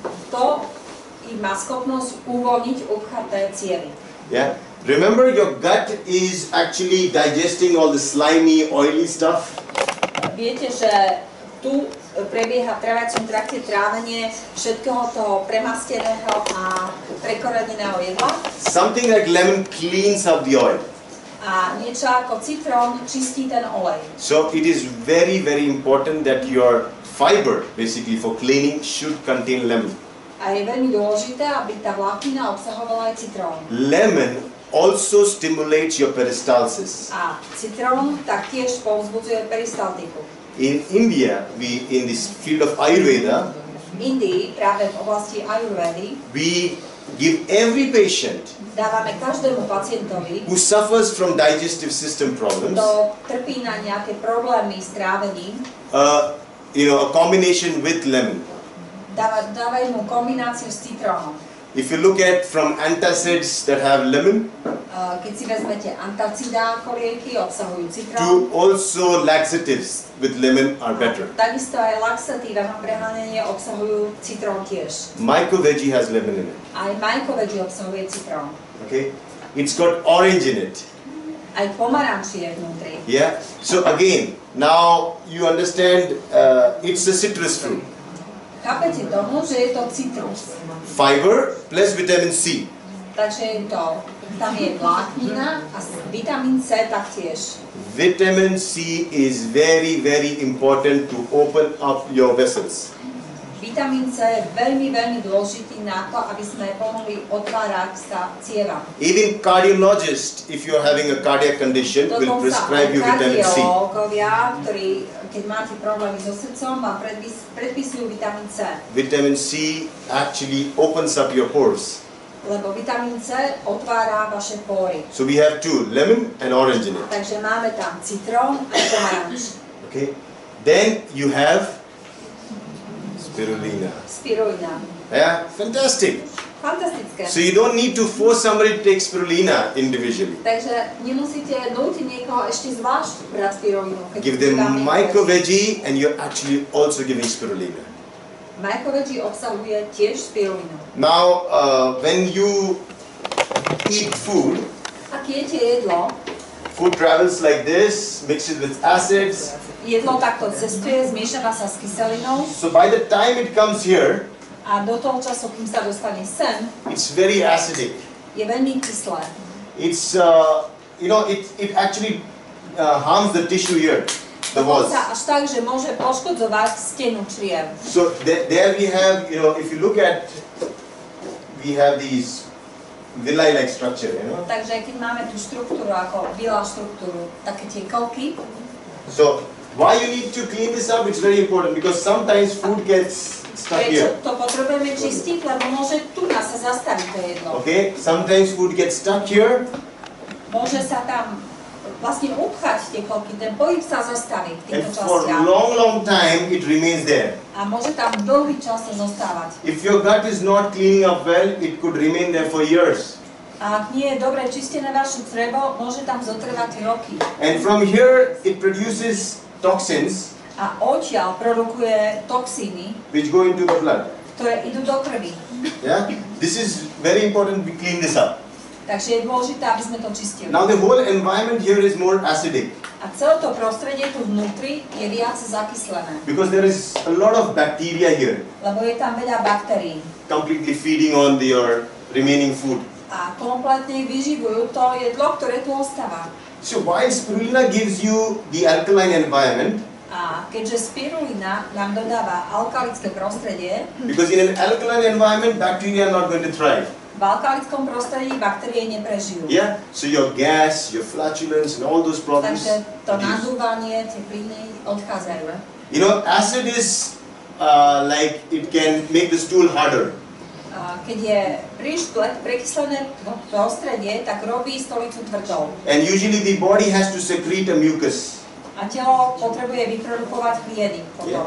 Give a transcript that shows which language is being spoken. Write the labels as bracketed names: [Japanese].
[Slovak] To má schopnosť uvoľniť obchaté cievy. [English] Yeah. Remember, your gut is actually digesting all the slimy, oily stuff. [Slovak] Viete, že tu prebieha v traviacom trakte trávenie všetkého toho premasteného a prekoreneného jedla. [English] Something like lemon cleans up the oil. [Slovak] A niečo ako citrón čistí ten olej. [English] So it is very, very important that your fiber, basically for cleaning, should contain lemon. [Slovak] A je veľmi dôležité, aby tá vláknina obsahovala aj citrón. [English] Lemon also stimulates your peristalsis. [Slovak] A citrón taktiež povzbudzuje peristaltiku. [English] In India, we in this field of Ayurveda, [Slovak] práve v oblasti Ayurvedy, [English] we give every patient [Slovak] dávame každému pacientovi [English] who suffers from digestive system problems, [Slovak] kto trpí na nejaké problémy s trávením, [English] a combination with lemon. [Slovak] Dávajú mu kombináciu s citrónom. [English] If you look at from antacids that have lemon, [Slovak] keď si vezmete antacidá ako lieky obsahujú citrón, [English] to also laxatives with lemon are better. [Slovak] Takisto aj laxatíva na prehánenie obsahujú citrón tiež. [English] MycoVeggie has lemon in it. [Slovak] Aj MycoVeggie obsahuje citrón. [English] Okay. It's got orange in it. [Slovak] Aj pomaranč je vnútri. [English] Yeah. So again, now you understand, it's a citrus fruit. [Slovak] Chápete tomu, že je to citrus? [English] Fiber plus vitamin C. [Slovak] Takže je to, tam je vláknina a vitamin C taktiež. [English] Vitamin C is very, very important to open up your vessels. [Slovak] Vitamin C je veľmi, veľmi dôležitý na to, aby sme pomohli otvárať sa cievam. [English] Even cardiologist, if you are having a cardiac condition, will prescribe you vitamin C. [Slovak] Kardiologovia, ktorí, keď máte problémy so srdcom, vám predpisujú vitamin C. [English] Vitamin C actually opens up your pores. [Slovak] Lebo vitamin C otvára vaše pory. [English] So we have two, lemon and orange in it. [Slovak] Takže máme tam citrón a pomaranč. [English] Okay. Then you have spirulina. [Slovak] Spirulina. [English] Yeah, fantastic. [Slovak] Fantastické. [English] So you don't need to force somebody to take spirulina individually. [Slovak] Takže nemusíte nútiť niekoho ešte zvlášť brať spirulinu. [English] Give them MycoVeggie and you're actually also giving spirulina. [Slovak] MycoVeggie obsahuje tiež spirulinu. [English] Now, when you eat food, [Slovak] ak jete jedlo, [English] food travels like this, mixes with acids. [Slovak] Jedlo takto cestuje, zmiešava sa s kyselinou. [English] So by the time it comes here, [Slovak] a do toho času, kým sa dostane sem, [English] it's very acidic. [Slovak] Je veľmi kyslé. [English] It's, you know, it actually harms the tissue here. [Slovak] Až tak, že môže poškodzovať stenu čriev. [English] So there we have, you know, if you look at, we have these villi-like structure, you know. [Slovak] Takže keď máme tú štruktúru ako villa štruktúru, také tie kolky. [English] So why you need to clean this up? It's very important because sometimes food gets stuck here. [Slovak] To potrebujeme čistiť, lebo môže tu na sa zastaviť to jedlo. [English] Okay, sometimes food gets stuck here. [Slovak] Môže sa tam vlastne upchať tie kolky, ten pohyb sa zastaví v týchto častiach. [English] And for long, long time it remains there. [Slovak] A môže tam dlhý čas zostávať. [English] If your gut is not cleaning up well, it could remain there for years. [Slovak] A ak nie je dobre čistené vaše črevo, môže tam zotrvať roky. [English] And from here it produces toxins. [Slovak] A odtiaľ produkuje toxíny. [English] Which go into the blood. [Slovak] Ktoré idú do krvi. [English] Yeah? This is very important, we clean this up. [Slovak] Takže je dôležité, aby sme to čistili. [English] Now the whole environment here is more acidic. [Slovak] A celé to prostredie tu vnútri je viac zakyslené. [English] Because there is a lot of bacteria here. [Slovak] Lebo je tam veľa baktérií. [English] Completely feeding on your remaining food. [Slovak] A kompletne vyživujú to jedlo, ktoré tu ostáva. [English] So while spirulina gives you the alkaline environment. [Slovak] A keďže spirulina nám dodáva alkalické prostredie. [English] Because in an alkaline environment, bacteria are not going to thrive. [Slovak] V alkalickom prostredí baktérie neprežijú. [English] Yeah, so your gas, your flatulence and all those problems. [Slovak] Takže to nadúvanie, tie plyny odchádzajú. [English] You know, acid is like it can make the stool harder. [Slovak] Keď je príliš prekyslené prostredie, tak robí stolicu tvrdou. [English] And usually the body has to secrete a mucus. [Slovak] A telo potrebuje vyprodukovať hlieny potom.